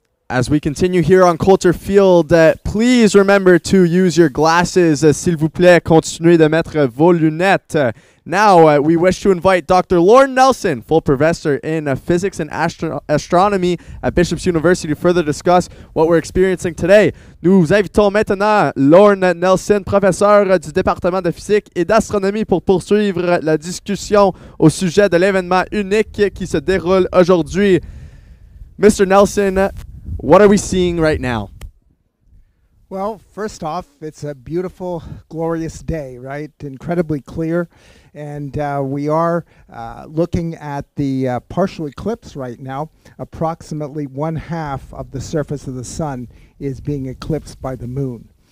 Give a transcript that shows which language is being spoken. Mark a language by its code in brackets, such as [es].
[en] as we continue here on Coulter Field, please remember to use your glasses. [fr] S'il vous plaît, continuez de mettre vos lunettes. [en] Now, we wish to invite Dr. Lauren Nelson, full professor in physics and astronomy at Bishop's University, to further discuss what we're experiencing today. [fr] Nous invitons maintenant Lauren Nelson, professeur du département de physique et d'astronomie, pour poursuivre la discussion au sujet de l'événement unique qui se déroule aujourd'hui. [en] Mr. Nelson, what are we seeing right now? Well, first off, it's a beautiful, glorious day, right? Incredibly clear. And we are looking at the partial eclipse right now. Approximately one half of the surface of the sun is being eclipsed by the moon.